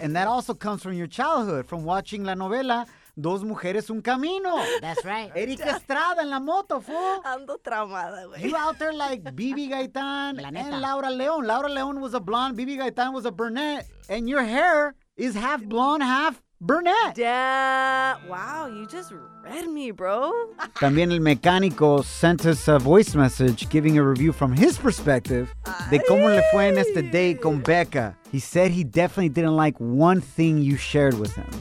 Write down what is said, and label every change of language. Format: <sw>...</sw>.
<en>And that also comes from your childhood, from watching la novela Dos Mujeres Un Camino. That's right.</en> <es>Erika Estrada en la moto, fool. Ando traumada, güey.</es> <en>You out there like Bibi Gaitán and Laura León. Laura León was a blonde. Bibi Gaitán was a brunette. And your hair is half blonde, half brunette. Yeah. Wow, you just read me, bro. También el mecánico sent us a voice message giving a review from his perspective de cómo le fue en este date con Becca. He said he definitely didn't like one thing you shared with him.</en>